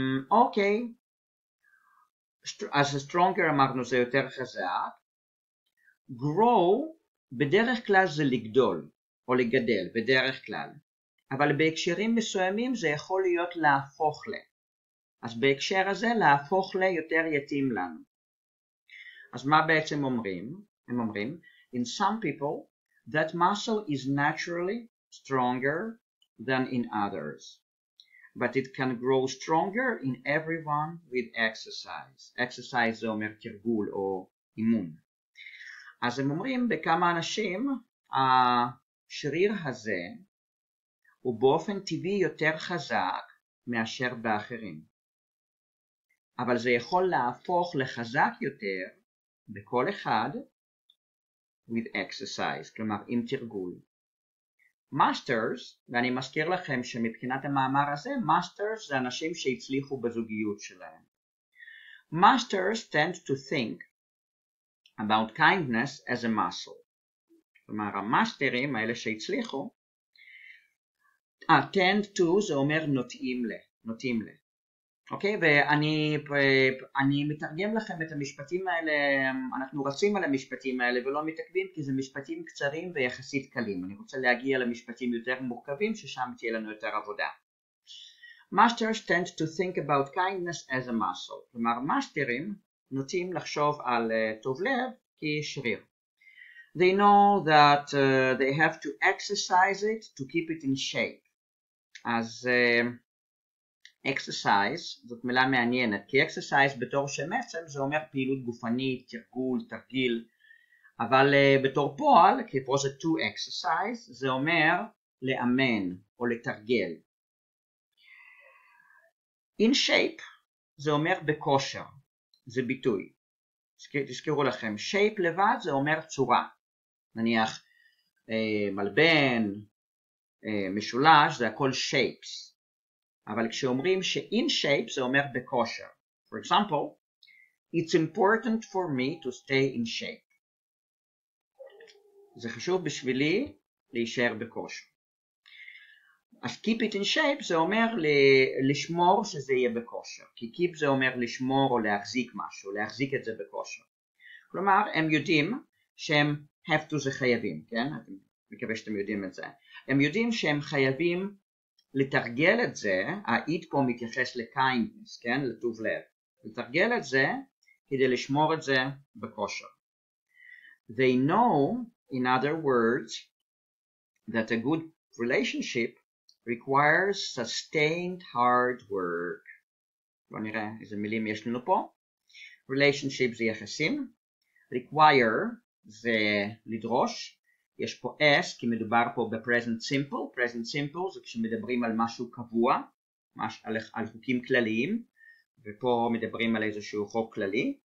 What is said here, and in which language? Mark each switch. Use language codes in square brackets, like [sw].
[he] אוקיי, אז stronger אמרנו זה יותר חזק. grow בדרך כלל זה לגדול, או לגדל, בדרך כלל. אבל בהקשרים מסוימים זה יכול להיות להפוך ל. אז בהקשר הזה להפוך ליותר יתאים לנו. אז מה בעצם אומרים? הם אומרים, [en] In some people, that muscle is naturally stronger than in others, but it can grow stronger in everyone with exercise. [he] Exercise זה אומר תרגול או אימון. אז הם אומרים, בכמה אנשים, השריר הזה הוא באופן טבעי יותר חזק מאשר באחרים. אבל זה יכול להפוך לחזק יותר בכל אחד [en] with exercise, [he] כלומר עם תרגול. Masters, ואני מזכיר לכם שמבחינת המאמר הזה, Masters זה אנשים שהצליחו בזוגיות שלהם. [en] Masters tend to think about kindness as a muscle. [he] כלומר, המאסטרים, האלה שהצליחו, [en] tend to, [he] זה אומר נוטים ל, נוטים ל. אוקיי, ואני מתרגם לכם את המשפטים האלה, אנחנו רצים על המשפטים האלה ולא מתעכבים, כי זה משפטים קצרים ויחסית קלים. אני רוצה להגיע למשפטים יותר מורכבים, ששם תהיה לנו יותר עבודה. [en] Masters tend to think about kindness as a muscle. [he] כלומר, מאסטרים נוטים לחשוב על טוב לב כשריר. [en] They know that they have to exercise it to keep it in shape. [he] אז exercise זאת מילה מעניינת, כי exercise בתור שם עצם זה אומר פעילות גופנית, תרגול, תרגיל, אבל בתור פועל, כפה זה [en] to exercise, [he] זה אומר לאמן או לתרגל. [en] In shape [he] זה אומר בכושר, זה ביטוי. תזכרו לכם, shape לבד זה אומר צורה. נניח מלבן, משולש, זה הכל shapes. אבל כשאומרים ש-in shape זה אומר בכושר. [en] For example, it's important for me to stay in shape. [he] זה חשוב בשבילי להישאר בכושר. אז [en] keep it in shape [he] זה אומר לשמור שזה יהיה בכושר. כי keep זה אומר לשמור או להחזיק משהו, להחזיק את זה בכושר. כלומר, הם יודעים שהם [en] have to [he] זה חייבים, כן? אני מקווה שאתם יודעים את זה. הם יודעים שהם חייבים לתרגל את זה, ה-it פה מתייחס ל-kindness, כן? לטוב לב. לתרגל את זה כדי לשמור את זה בכושר. [en] They know, in other words, that a good relationship requires sustained hard work. [he] בוא נראה איזה מילים יש לנו פה. Relationship זה יחסים. Require זה לדרוש. יש פה S, כי מדובר פה ב-present simple. Present simple זה כשמדברים על משהו קבוע, על חוקים כלליים, ופה מדברים על איזשהו חוק כללי.